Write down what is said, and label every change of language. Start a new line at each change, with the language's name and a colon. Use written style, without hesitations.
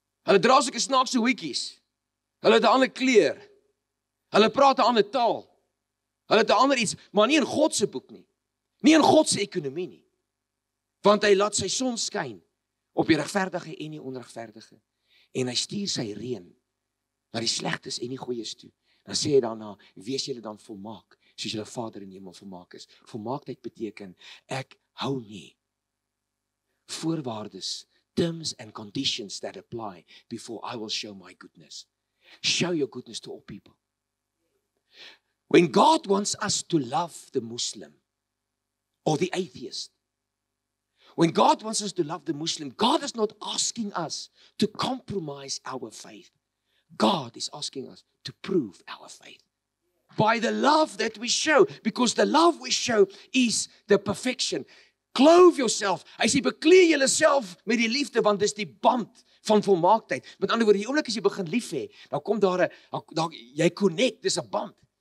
Afrikaans: Hulle dra soek een snaakse hoekies. Hulle het een ander kleur. Hulle praat een ander taal. Hulle het een ander iets, maar nie in Godse boek nie. Nie in Godse ekonomie nie. Want hy laat sy son skyn op die regverdige en die onregverdige. En hy stuur sy reën naar die slechtes en die goeies toe. Dan sê hy daarna, wees julle dan volmaak, soos julle Vader in hemel volmaak is. Volmaaktheid beteken, ek hou nie voorwaardes,
English: terms and conditions that apply before I will show my goodness. Show your goodness to all people. When God wants us to love the Muslim or the atheist, when God wants us to love the Muslim, God is not asking us to compromise our faith. God is asking us to prove our faith by the love that we show, because the love we show is the perfection. Clothe yourself.
Afrikaans: Hy sê, bekleer jouself met die liefde, want dis die band van volmaaktheid. Met ander woorde, die oomblik as jy begin lief hê, dan kom daar, jy connect, dis 'n band.